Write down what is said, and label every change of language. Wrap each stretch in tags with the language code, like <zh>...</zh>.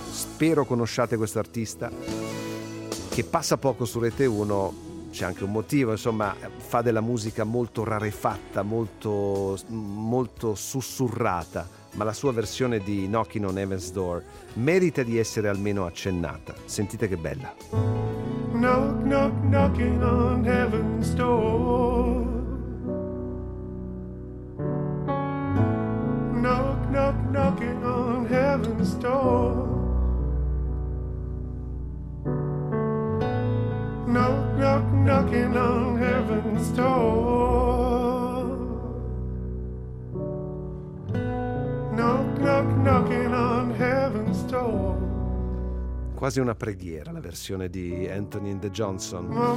<it>Spero conosciate questo artista, che passa poco su Rete 1, c'è anche un motivo, insomma, fa della musica molto rarefatta, molto, molto sussurrata, ma la sua versione di Knockin' on Heaven's Door merita di essere almeno accennata. Sentite che bella.</it> <en>Knock, knock, knocking on heaven's door. Knock, knock, knocking on heaven's door. Knock, knock, knocking on heaven's door. Knock, knock, knocking on heaven's door.</en> <it>Quasi una preghiera, la versione di Anthony and the Johnson.</it>